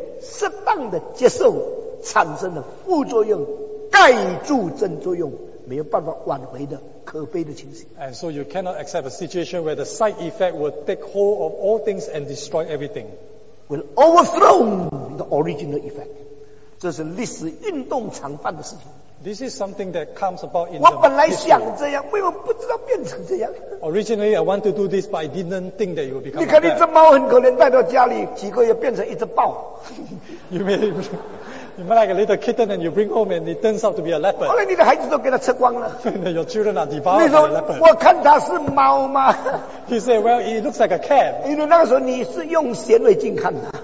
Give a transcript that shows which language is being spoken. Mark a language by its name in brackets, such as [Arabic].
[Chinese] 这样你才不能够让随便适当的接受 产生的副作用盖住正作用, 没有办法挽回的, 可悲的情形。 [English] And so you cannot accept a situation where the side effect will take hold of all things and destroy everything. Will overthrow the original effect. [Chinese] 这是历史运动常犯的事情。 [English] This is something that comes about in [Chinese] 我本来想这样, 为什么不知道变成这样? [English] Originally, I want to do this, but I didn't think that it would become [Chinese] 你看一只猫很可怜, 带到家里, 几个月变成一只豹。 [English] You may... You might like a little kitten and you bring home and it turns out to be a leopard. [Chinese] 后来你的孩子都给他吃光了。 [English] Your children are devoured by a leopard. [Chinese] 我看他是猫吗? [English] He said, well, it looks like a cat. [Chinese] 因为那个时候你是用显微镜看的。